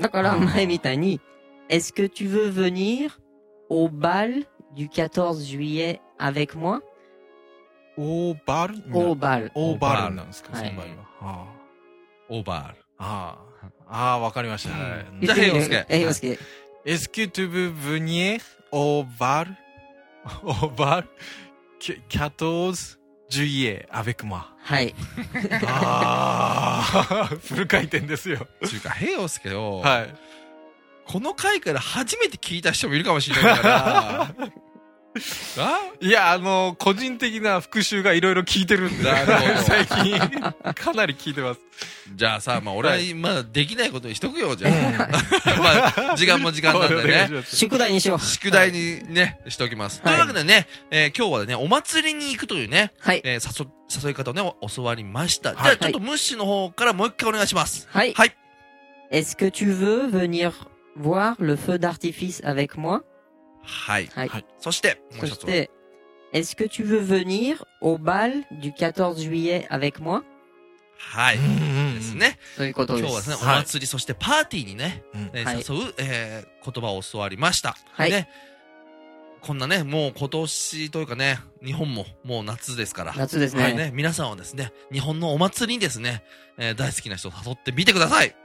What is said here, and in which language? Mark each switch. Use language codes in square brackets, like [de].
[ja] だから、前みたいに、 [fr] est-ce que tu veux venir au bal du 14 juillet avec moi? [ja] オーバル？オーバル。オーバルなんですか、その場合は。オーバル。ああ、わかりました。じゃあ、平洋介。平洋介。 [fr] est-ce que tu veux venir au bal? au bal? 14 juillet avec moi? [ja] はい。ああ、フル回転ですよ。というか、平洋介を、はい、この回から初めて聞いた人もいるかもしれないから。あ、いや、個人的な復習がいろいろ聞いてるんで、最近かなり聞いてます。じゃあさ、まあ、俺はまだできないことにしとくよ、じゃあ。まあ、時間も時間なんでね。宿題にしよう。宿題にね、はい、しておきます。というわけでね、今日はね、お祭りに行くというね、はい、誘い方をね、教わりました。はい、じゃあ、ちょっとムッシュの方からもう一回お願いします。はい。はい。 [fr] est-ce que tu veux venir voir le feu d'artifice avec moi? [ja] はい、はい、そしてそしてもう [fr] est-ce que tu veux venir au bal du 14 juillet avec moi? [ja] はい、ですね、そういうことです。今日はですね、はい、お祭りそしてパーティーにね、はい、誘う、言葉を教わりました。はい、ね、こんなね、もう今年というかね、日本ももう夏ですから、夏ですね、はい、ね、皆さんはですね、日本のお祭りにですね、大好きな人を誘ってみてください。